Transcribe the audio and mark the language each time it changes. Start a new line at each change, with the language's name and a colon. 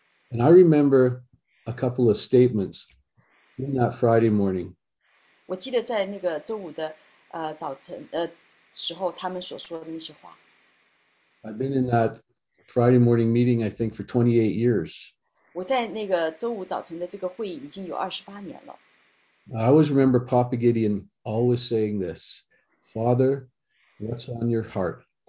English: And I remember a couple of statements in that Friday morning.
Chinese: 我记得在那个周五的早晨时候，他们所说的那些话。
English: I've been in that Friday morning meeting, I think, for 28 years.
Chinese: 我在那个周五早晨的这个会议已经有28年了。
English: I always remember Papa Gideon always saying this, Father, what's on your heart?